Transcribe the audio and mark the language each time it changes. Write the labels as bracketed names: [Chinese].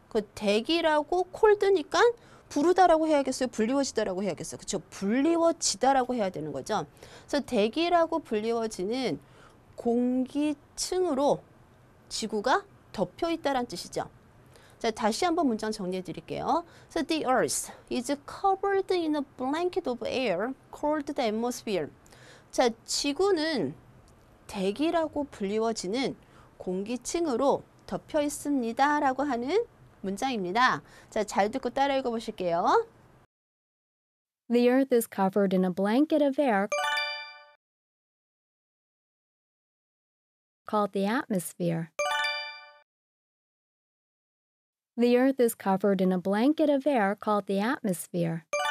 [Korean] 그 대기라고 cold니까 부르다라고 해야겠어요? 불리워지다라고 해야겠어요? 그렇죠. 불리워지다라고 해야 되는 거죠. 그래서 대기라고 불리워지는 공기층으로 지구가 덮여 있다라는 뜻이죠. 자, 다시 한번 문장 정리해 드릴게요. [English] So the earth is covered in a blanket of air called the atmosphere. [Korean] 자, 지구는 대기라고 불리워지는 공기층으로 덮여 있습니다라고 하는 문장입니다. 자, 잘 듣고 따라 읽어 보실게요. [English] The earth is covered in a blanket of air called the atmosphere. The earth is covered in a blanket of air called the atmosphere.